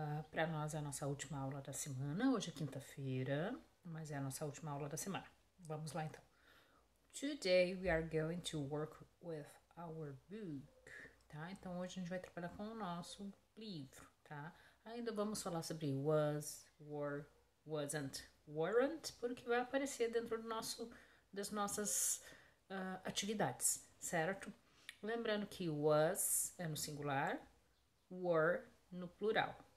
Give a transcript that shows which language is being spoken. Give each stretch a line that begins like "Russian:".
Portuguese: Para nós é a nossa última aula da semana. Hoje é quinta-feira, mas é a nossa última aula da semana. Vamos lá então.
English: Today we are going to work with our book, tá?
Portuguese: Então hoje a gente vai trabalhar com o nosso livro, tá? Ainda vamos falar sobre was, were, wasn't, weren't, porque vai aparecer dentro do nosso, das nossas atividades, certo? Lembrando que was é no singular, were no plural.